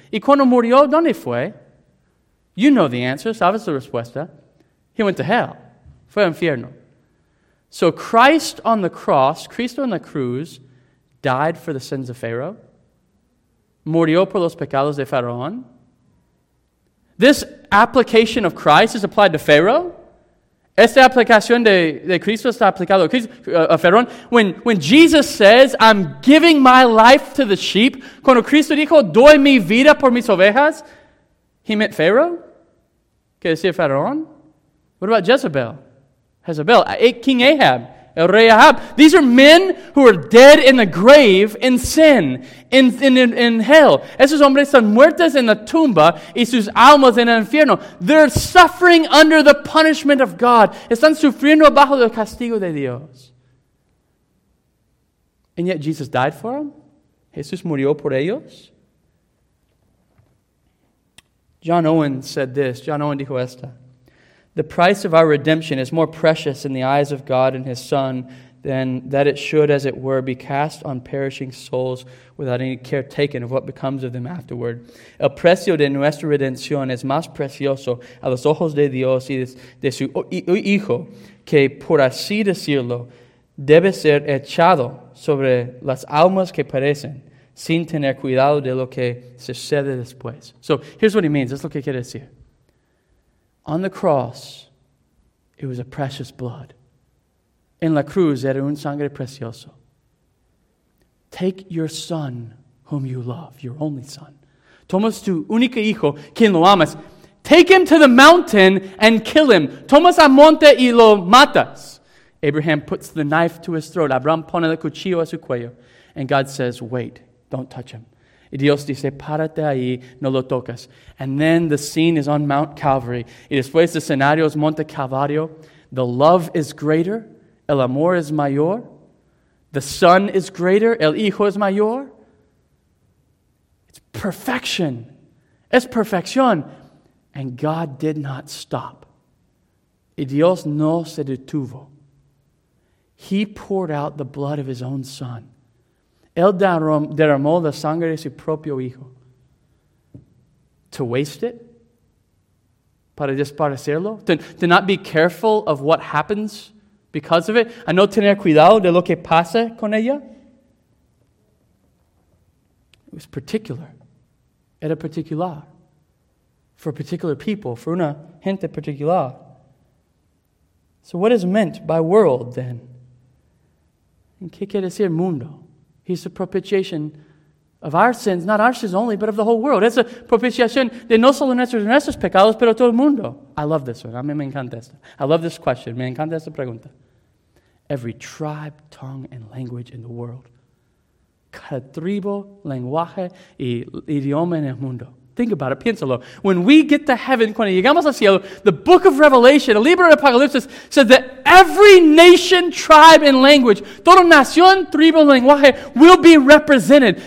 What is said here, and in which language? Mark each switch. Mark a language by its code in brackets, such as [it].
[es] ¿Y cuando murió, dónde fue? [en] You know the answer, [es] sabes la respuesta. [en] He went to hell. [es] Fue al infierno. [en] So Christ on the cross, [es] Cristo en la cruz, [en] died for the sins of Pharaoh. [es] Murió por los pecados de Faraón. [en] This application of Christ is applied to Pharaoh. [es] Esta aplicación de Cristo está aplicado a Faraón. [en] When Jesus says, I'm giving my life to the sheep, [es] cuando Cristo dijo, doy mi vida por mis ovejas, [en] he meant Pharaoh. [es] ¿Qué decía Faraón? [en] What about Jezebel? Jezebel, King Ahab, El Rey Ahab. These are men who are dead in the grave in sin, in hell. [es] Esos hombres están muertos en la tumba y sus almas en el infierno. [en] They're suffering under the punishment of God. [es] Están sufriendo bajo el castigo de Dios. [en] And yet Jesus died for them. [es] Jesús murió por ellos. [en] John Owen said this. [es] John Owen dijo esta. [en] The price of our redemption is more precious in the eyes of God and His Son than that it should, as it were, be cast on perishing souls without any care taken of what becomes of them afterward. [es] El precio de nuestra redención es más precioso a los ojos de Dios y de su Hijo que, por así decirlo, debe ser echado sobre las almas que perecen sin tener cuidado de lo que sucede después. [en] So here's what he means. That's [es] lo que quiere decir. [en] On the cross, it was a precious blood. [es] En la cruz, era un sangre precioso. [en] Take your son, whom you love, your only son. [es] Tomas tu único hijo, quien lo amas. [en] Take him to the mountain and kill him. [es] Tomas al monte y lo matas. [en] Abraham puts the knife to his throat. [es] Abraham pone el cuchillo a su cuello. [en] And God says, wait, don't touch him. [es] Y Dios dice, párate ahí, no lo tocas. [en] And then the scene is on Mount Calvary. [es] Y después el escenario es Monte Calvario. [en] The love is greater, [es] el amor es mayor. [en] The son is greater, [es] el hijo es mayor. [en] It's perfection. [es] Es perfección. [en] And God did not stop. [es] Y Dios no se detuvo. [en] He poured out the blood of his own son. [es] Él derramó la sangre de su propio hijo. [en] To waste it? [es] para desaparecerlo, [en] to not be careful of what happens because of it, [es] a no tener cuidado de lo que pasa con ella. [en] It was particular. [es] Era particular. [en] For particular people, for una gente particular. So what is meant by world then? [es] ¿Y qué quiere decir mundo? [en] He's the propitiation of our sins, not our sins only, but of the whole world. [es] It's a propitiation de no solo nuestros pecados, pero todo el mundo. [en] I love this one. [es] A mí me encanta esto. [en] I love this question. [es] Me encanta esta pregunta. [en] Every tribe, tongue, and language in the world. [es] Cada tribu, lenguaje y idioma en el mundo. [en] Think about it. [es] Piénsalo. [en] When we get to heaven, [es] cuando llegamos al cielo, [en] the book of Revelation, [es] el libro de Apocalipsis, [en] says that every nation, tribe, and language, [es] toda nación, tribu, lenguaje, [en] will be represented.